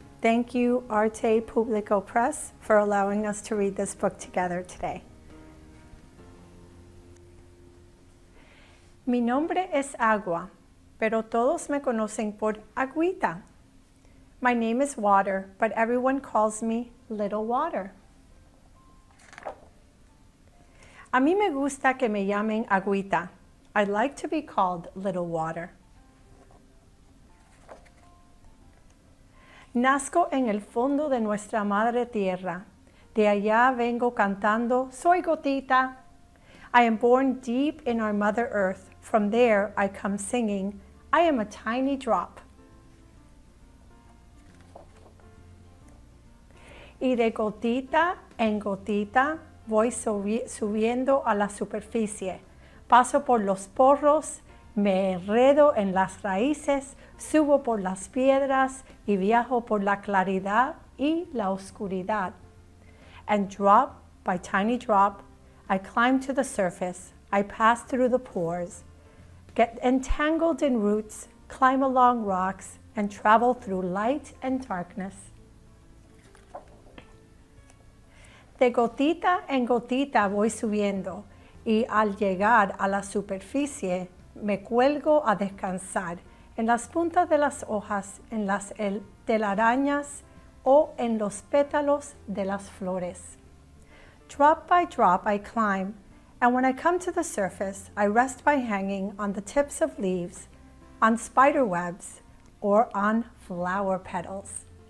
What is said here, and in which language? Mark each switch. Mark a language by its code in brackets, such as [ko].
[en] Thank you Arte Público Press for allowing us to read this book together today. [es] Mi nombre es Agua, pero todos me conocen por Agüita. [en] My name is Water, but everyone calls me Little Water. [es] A mí me gusta que me llamen Agüita. I'd like to be called Little Water. Nazco en el fondo de nuestra madre tierra. De allá vengo cantando, soy gotita. [en] I am born deep in our mother earth. From there I come singing, I am a tiny drop. [es] Y de gotita en gotita, voy subiendo a la superficie. Paso por los porros, me enredo en las raíces, subo por las piedras y viajo por la claridad y la oscuridad. [en] And drop by tiny drop, I climb to the surface, I pass through the pores, get entangled in roots, climb along rocks, and travel through light and darkness. [es] De gotita en gotita voy subiendo y al llegar a la superficie me cuelgo a descansar en las puntas de las hojas, en las telarañas o en los pétalos de las flores. [en] Drop by drop I climb, and when I come to the surface, I rest by hanging on the tips of leaves, on spider webs, or on flower petals.